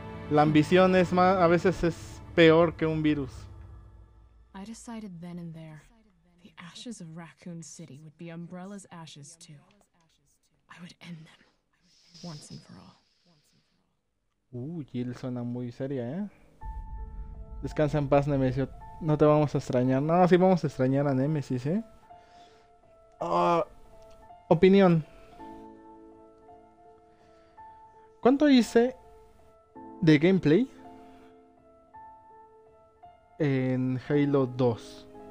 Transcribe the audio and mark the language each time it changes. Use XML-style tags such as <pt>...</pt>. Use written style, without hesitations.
<es>La ambición es más, a veces es peor que un virus.</es> <en>I decided then and there the ashes of Raccoon City would be Umbrella's ashes too. I would end them once and for all.</en> <es>Jill suena muy seria, Descansa en paz, Nemesio. No te vamos a extrañar. No, sí vamos a extrañar a Nemesis, Opinión. ¿Cuánto hice de gameplay en Halo 2?</es>